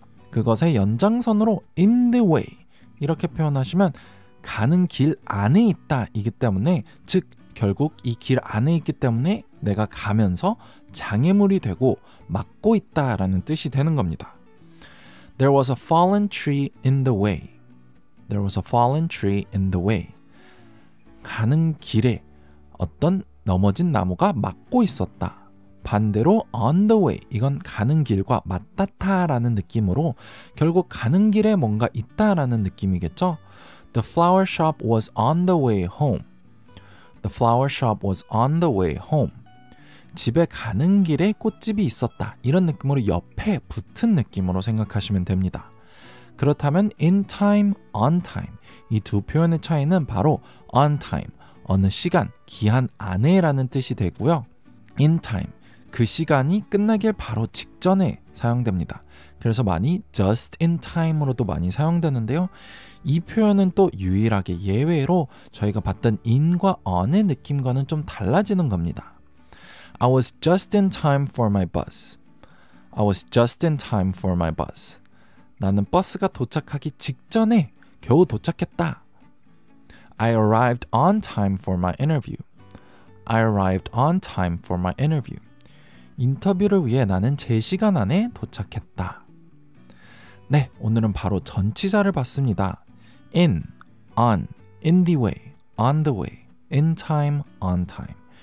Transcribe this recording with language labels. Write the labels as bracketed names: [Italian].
[Korean] 그것의 연장선으로 [English] in the way [Korean] 이렇게 표현하시면 가는 길 안에 있다 이기 때문에, 즉 결국 이 길 안에 있기 때문에 내가 가면서 장애물이 되고 막고 있다 라는 뜻이 되는 겁니다. [English] There was a fallen tree in the way. There was a fallen tree in the way. [Korean] 가는 길에 어떤 넘어진 나무가 막고 있었다. 반대로 [English] on the way, [Korean] 이건 가는 길과 맞닿다 라는 느낌으로 결국 가는 길에 뭔가 있다 라는 느낌이겠죠. [English] The flower shop was on the way home. The flower shop was on the way home. [Korean] 집에 가는 길에 꽃집이 있었다, 이런 느낌으로 옆에 붙은 느낌으로 생각하시면 됩니다. 그렇다면 [English] in time, on time, [Korean] 이 두 표현의 차이는 바로 on time, 어느 시간, 기한 안에 라는 뜻이 되고요. in time, 그 시간이 끝나길 바로 직전에 사용됩니다. 그래서 많이 [English] just in time [Korean] 으로도 많이 사용되는데요. 이 표현은 또 유일하게 예외로 저희가 봤던 in과 on의 느낌과는 좀 달라지는 겁니다. [English] I was just in time for my bus. I was just in time for my bus. [Korean] 나는 버스가 도착하기 직전에 겨우 도착했다. [English] I arrived on time for my interview. I arrived on time for my interview. [Korean] 인터뷰를 위해 나는 제 시간 안에 도착했다. 네, 오늘은 바로 전치사를 봤습니다. [English] In, on, in the way, on the way, in time, on time.